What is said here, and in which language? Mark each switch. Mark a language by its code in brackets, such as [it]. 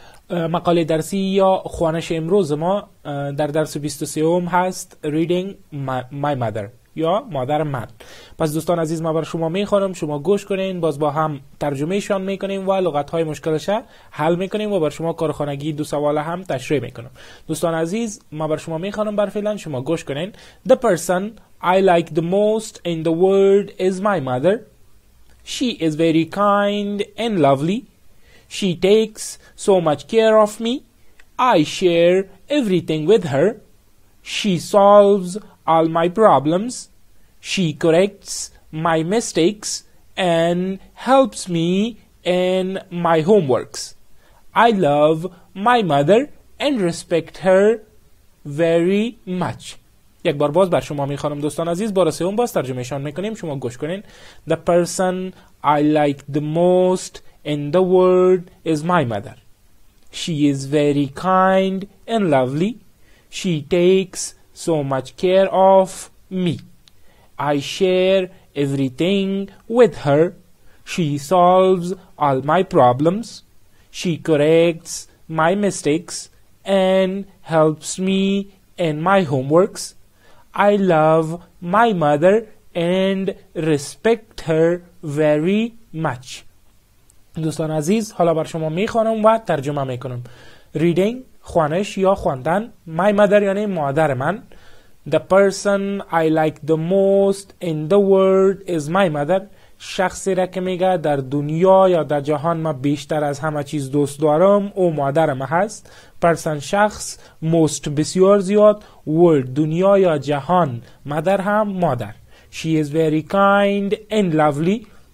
[fa] مقاله درسی یا خوانش امروز ما در درس 23 هست، [en] Reading My Mother [fa] یا مادر من. پس دوستان عزیز، ما بر شما میخوانم، شما گوش کنین، باز با هم ترجمهشان میکنیم و لغتهای مشکلش حل میکنیم و بر شما کارخانگی دو سوال هم تشریح میکنم. دوستان عزیز، ما بر شما میخوانم، بر فعلا شما گوش کنین. [en] The person I like the most in the world is my mother. She is very kind and lovely. She takes so much care of me. I share everything with her. She solves all my problems. She corrects my mistakes and helps me in my homeworks. I love my mother and respect her very much. [fa] یک بار باز بر شما میخوانم دوستان عزیز، بار سوم باز ترجمهشان میکنیم، شما گوش کنین. [en] The person I like the most in the world is my mother. She is very kind and lovely. She takes so much care of me. I share everything with her. She solves all my problems. She corrects my mistakes and helps me in my homeworks. I love my mother and respect her very much. [fa] دوستان عزیز، حالا بر شما میخوانم و ترجمه میکنم. Reading، خوانش یا خواندن. [en] My mother [fa] یعنی مادر من. [en] The person I like the most in the world is my mother. [fa] شخصی را که میگه در دنیا یا در جهان ما بیشتر از همه چیز دوست دارم، او مادر ما هست. پرسن شخص، most بسیار زیاد، world دنیا یا جهان، مادر هم مادر. [en] She is very kind and lovely.